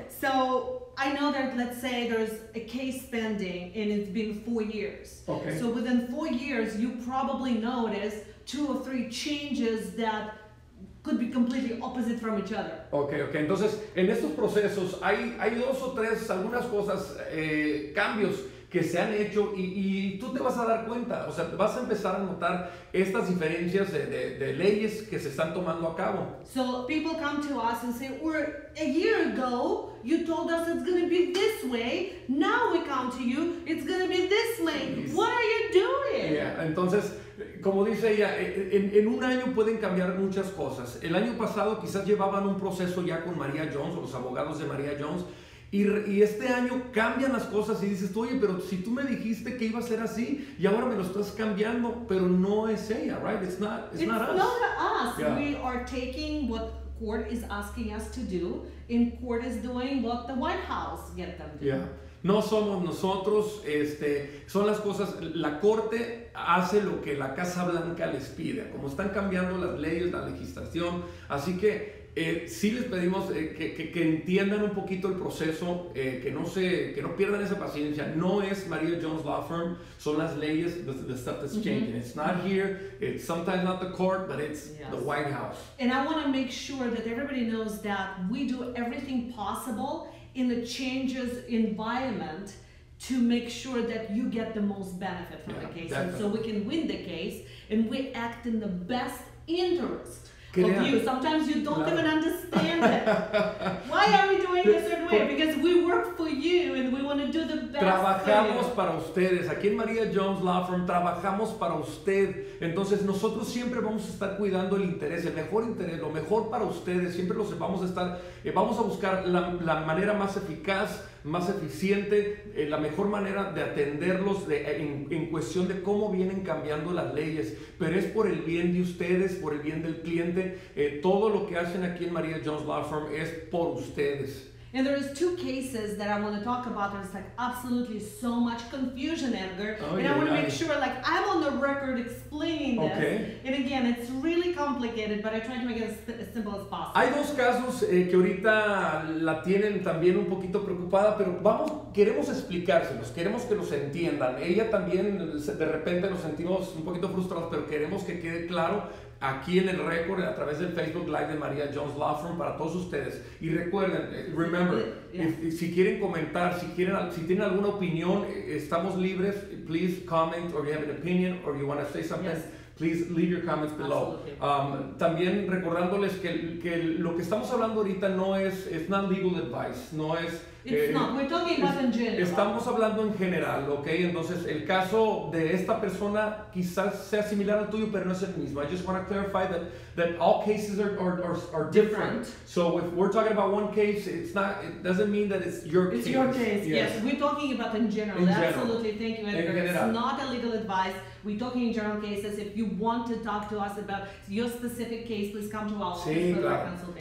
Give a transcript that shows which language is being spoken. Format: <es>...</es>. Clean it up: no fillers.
<en>So, I know that, let's say, there's a case pending and it's been 4 years. Okay. So within 4 years, you probably notice 2 or 3 changes that could be completely opposite from each other. Okay.</en> <es>Entonces, en estos procesos, hay dos o tres, algunas cosas, cambios que se han hecho y tú te vas a dar cuenta, o sea, vas a empezar a notar estas diferencias de leyes que se están tomando a cabo.</es> <en>So people come to us and say, we're a year ago, you told us it's going to be this way. Now we come to you, it's going to be this way. What are you doing?</en> <es>Yeah, entonces, como dice ella, en un año pueden cambiar muchas cosas. El año pasado quizás llevaban un proceso ya con María Jones, o los abogados de María Jones, y este año cambian las cosas y dices tú, oye, pero si tú me dijiste que iba a ser así y ahora me lo estás cambiando, pero no es ella, right?</es> <en>It's not us. Yeah. We are taking what court is asking us to do, and court is doing what the White House get them to do.</en> <es>Yeah. No somos nosotros, son las cosas, la corte hace lo que la Casa Blanca les pide, como están cambiando las leyes, la legislación, así que sí les pedimos que entiendan un poquito el proceso, que no pierdan esa paciencia, no es Maria Jones Law Firm, son las leyes,</es> <en>the stuff that's changing,</en> <es>mm-hmm.</es> <en>It's not here, it's sometimes not the court, but it's the White House. And I want to make sure that everybody knows that we do everything possible in the changes environment to make sure that you get the most benefit from the case. And so we can win the case and we act in the best interest of you. Sometimes you don't even understand it. Why are we doing this certain way? Because we work for you and we want to do the best</en> <es>trabajamos</es> <en>for you.</en> <es>Para ustedes. Aquí en Maria Jones Law Firm trabajamos para usted. Entonces nosotros siempre vamos a estar cuidando el interés, el mejor interés, lo mejor para ustedes. Siempre los vamos a estar, vamos a buscar la manera más eficaz, más eficiente, la mejor manera de atenderlos en cuestión de cómo vienen cambiando las leyes. Pero es por el bien de ustedes, por el bien del cliente. Todo lo que hacen aquí en Maria Jones Law Firm es por ustedes.</es> <en>And there is two cases that I want to talk about. There's like absolutely so much confusion, Edgar. I want to make sure I'm on the record explaining this. Okay. And again, it's really complicated, but I try to make it as simple as possible.</en> <es>Hay dos casos que ahorita la tienen también un poquito preocupada, pero queremos explicárselos, queremos que los entiendan. Ella también, de repente nos sentimos un poquito frustrados, pero queremos que quede claro aquí en el récord, a través del Facebook Live de Maria Jones Law Firm, para todos ustedes. Y recuerden, si quieren comentar, si tienen alguna opinión, estamos libres.</es> <en>Please comment, or you have an opinion, or you want to say something, please leave your comments below.</en> <es>También recordándoles que lo que estamos hablando ahorita no es,</es> <en>it's not legal advice,</en> <es>no es...</es> <en>We're talking about in general.</en> <es>Estamos hablando en general, ¿ok? Entonces, el caso de esta persona quizás sea similar al tuyo, pero no es el mismo.</es> <en>I just want to clarify that all cases are different. So, if we're talking about one case, it doesn't mean that it's your case. It's your case, yes. We're talking about in general. Absolutely, thank you, Edgar. It's not a legal advice. We're talking in general cases. If you want to talk to us about your specific case, please come to our office for a consultation.</en>